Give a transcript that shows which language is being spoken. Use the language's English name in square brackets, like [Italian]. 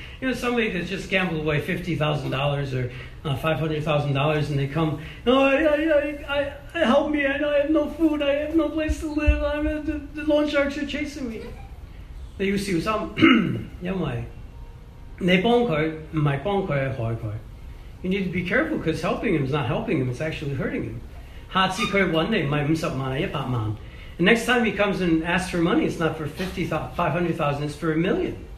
[English] You know, somebody that's just gambled away $50,000 or $500,000 and they come, oh, I help me, I have no food, I have no place to live, the loan sharks are chasing me. [Chinese] 你要小心，因為你幫佢唔係幫佢，係害佢。 [English] You need to be careful because helping him is not helping him, it's actually hurting him. [Chinese] 下次他找你,不是50万,是100万. [English] And next time he comes and asks for money, it's not for 500,000, it's for a million.